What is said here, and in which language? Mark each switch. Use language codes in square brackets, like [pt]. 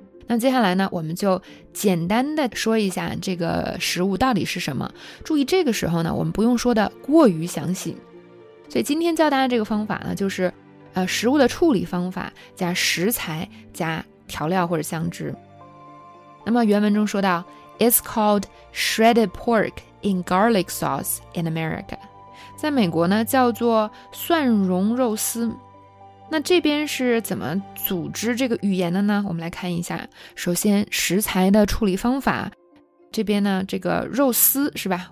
[zh] 那接下来呢，我们就简单的说一下这个食物到底是什么。注意这个时候呢，我们不用说的过于详细。所以今天教大家这个方法呢，就是食物的处理方法加食材加调料或者香汁。那么原文中说到 ， [en] It's called shredded pork。 In garlic sauce in America， [zh] 在美国呢叫做蒜蓉肉丝。那这边是怎么组织这个语言的呢？我们来看一下。首先，食材的处理方法，这边呢这个肉丝是吧？